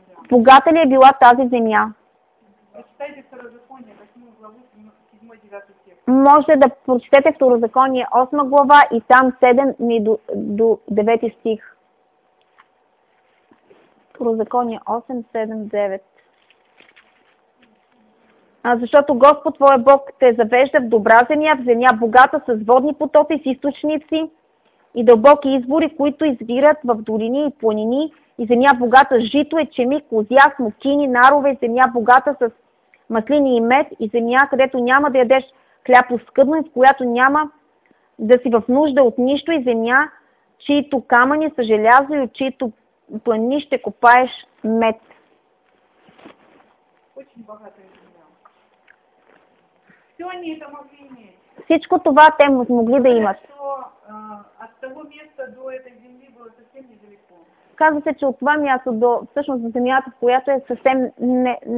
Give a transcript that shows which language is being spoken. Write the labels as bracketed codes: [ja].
[bg] Богата ли е била тази земя? Прочитайте Второзаконие, 8 глава, 7-9 стих. Може да прочетете Второзаконие, 8 глава и там 7-9 стих. Второзаконие, 8, 7, 9. Защото Господ твой Бог те завежда в добра земя, в земя богата с водни потоци, с източници и дълбоки извори, които извират в долини и планини, и земя богата с жито, ечеми, козя, смокини, нарове, земя богата с маслини и мед, и земя, където няма да ядеш хляб оскъдно, в която няма да си в нужда от нищо, и земя, чието камъни са желязо и от чието планини ще копаеш мед. [ru] Очень богата е. Все они это могли иметь. [bg] Всичко това те могли да имат. [ru] От того места до этой земли было совсем недалеко. [bg] Казва се, че от това място до всъщност до земята, в която е съвсем не